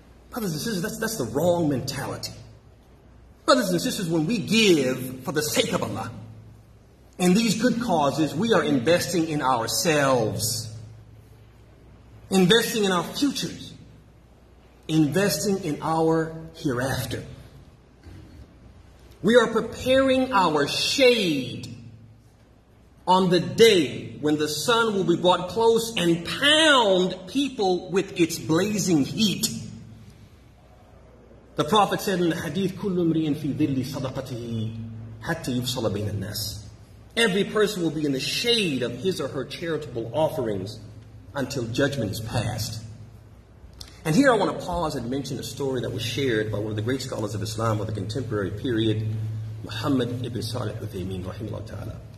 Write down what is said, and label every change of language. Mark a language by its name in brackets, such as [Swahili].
[English] Brothers and sisters, that's the wrong mentality. Brothers and sisters, when we give for the sake of Allah, in these good causes, we are investing in ourselves, investing in our futures, investing in our hereafter. We are preparing our shade on the day when the sun will be brought close and pound people with its blazing heat. The Prophet said in the hadith, [Arabic] كُلُّ مْرِيٍ فِي ذِلِّ صَدَقَتِهِ حَتَّى يُفْصَلَ بَيْنَ النَّاسِ. [English] Every person will be in the shade of his or her charitable offerings until judgment is passed. And here I want to pause and mention a story that was shared by one of the great scholars of Islam of the contemporary period, Muhammad ibn Salih Uthaymeen, rahimahullah ta'ala.